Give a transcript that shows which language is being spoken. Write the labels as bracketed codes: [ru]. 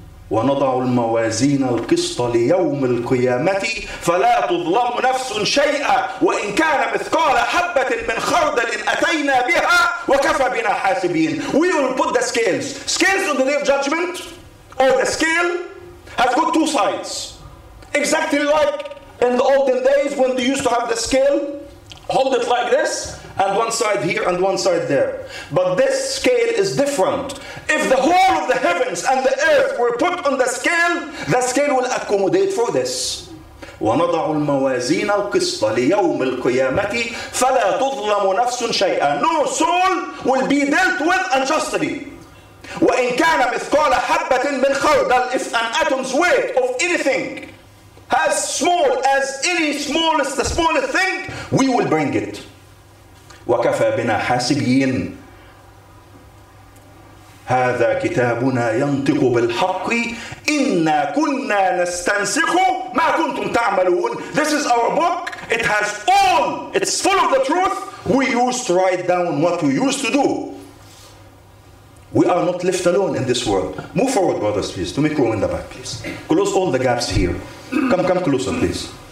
[ar] ونضع الموازين القسط ليوم القيامة فلا تظلم نفس شيئا وإن كان مثقال حبة من خردل أتينا بها وكفى بنا حاسبين. [en] We will put the scales. Scales on the day of judgment, or the scale has got two sides. Exactly like in the olden days when they used to have the scale, hold it like this, and one side here and one side there. But this scale is different. If the whole of the heavens and the earth were put on the scale will accommodate for this. [ar] ونضع الموازين القسط ليوم القيامة فلا تظلم نفس شيئا. [en] No soul will be dealt with unjustly. [ar] وإن كان مثقال حبة من خردل, [en] if an atom's weight of anything as small as any smallest, the smallest thing, we will bring it. [ar] وكفى بنا حاسبين. هذا كتابنا ينطق بالحق إنا كنا نستنسخ ما كنتم تعملون. [en] This is our book. It has all. It's full of the truth. We used to write down what we used to do. We are not left alone in this world. Move forward, brothers, please, to make room in the back, please. Close all the gaps here. Come closer, please.